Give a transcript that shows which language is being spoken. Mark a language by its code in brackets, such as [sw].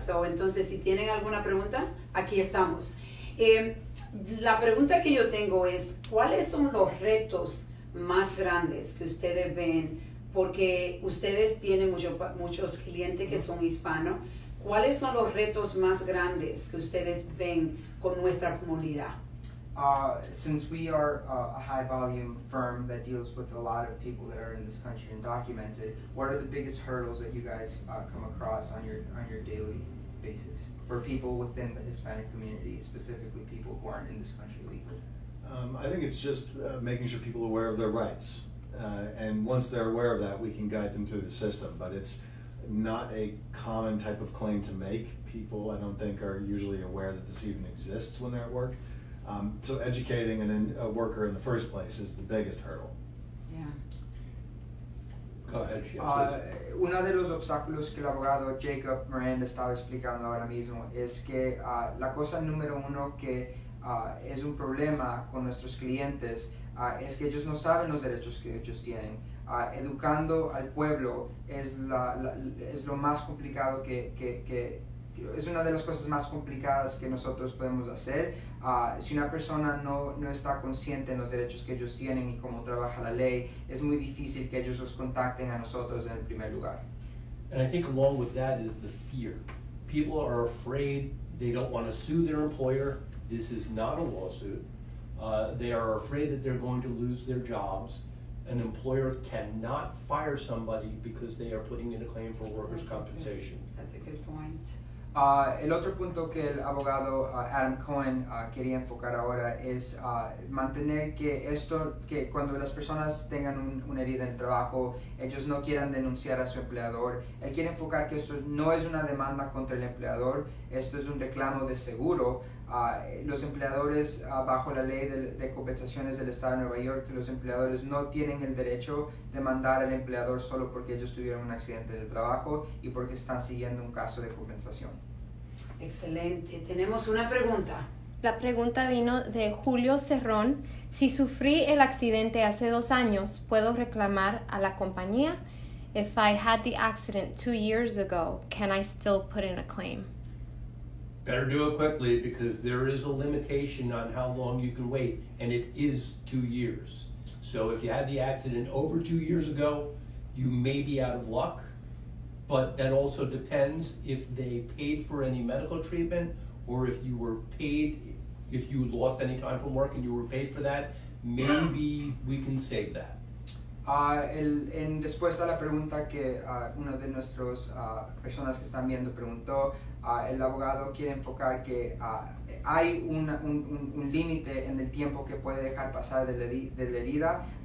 [es] So, entonces, si tienen alguna pregunta, aquí estamos. La pregunta que yo tengo es, ¿cuáles son los retos más grandes que ustedes ven? Porque ustedes tienen muchos clientes que son hispanos. ¿Cuáles son los retos más grandes que ustedes ven con nuestra comunidad? [en] Since we are a high volume firm that deals with a lot of people that are in this country undocumented, what are the biggest hurdles that you guys come across on your daily basis for people within the Hispanic community, specifically people who aren't in this country legally? I think it's just making sure people are aware of their rights. And once they're aware of that, we can guide them through the system. But it's not a common type of claim to make. People, I don't think, are usually aware that this even exists when they're at work. So educating a worker in the first place is the biggest hurdle. Yeah. Go ahead, Shea. [es] Uno de los obstáculos que el abogado Jacob Miranda estaba explicando ahora mismo es que la cosa número uno que es un problema con nuestros clientes es que ellos no saben los derechos que ellos tienen. Educando al pueblo es es lo más complicado que es una de las cosas más complicadas que nosotros podemos hacer. Si una persona no está consciente en los derechos que ellos tienen y cómo trabaja la ley, es muy difícil que ellos los contacten a nosotros en el primer lugar. [en] And I think along with that is the fear. People are afraid, they don't want to sue their employer. This is not a lawsuit. They are afraid that they're going to lose their jobs. An employer cannot fire somebody because they are putting in a claim for workers' compensation. That's a good point. [es] El otro punto que el abogado Adam Cohen quería enfocar ahora es mantener que esto, que cuando las personas tengan una herida en el trabajo, ellos no quieran denunciar a su empleador. Él quiere enfocar que esto no es una demanda contra el empleador, esto es un reclamo de seguro. Los empleadores, bajo la ley de compensaciones del estado de Nueva York, los empleadores no tienen el derecho de mandar al empleador solo porque ellos tuvieron un accidente de trabajo y porque están siguiendo un caso de compensación. Excelente. Tenemos una pregunta. La pregunta vino de Julio Cerrón. Si sufrí el accidente hace 2 años, ¿puedo reclamar a la compañía? [en] If I had the accident 2 years ago, can I still put in a claim? Better do it quickly because there is a limitation on how long you can wait, and it is 2 years. So if you had the accident over 2 years ago, you may be out of luck. but that also depends if they paid for any medical treatment or if you were paid, if you lost any time from work and you were paid for that, maybe we can save that. [es] En respuesta a la pregunta que uno de nuestros personas que están viendo preguntó, el abogado quiere enfocar que hay un límite en el tiempo que puede dejar pasar de la herida.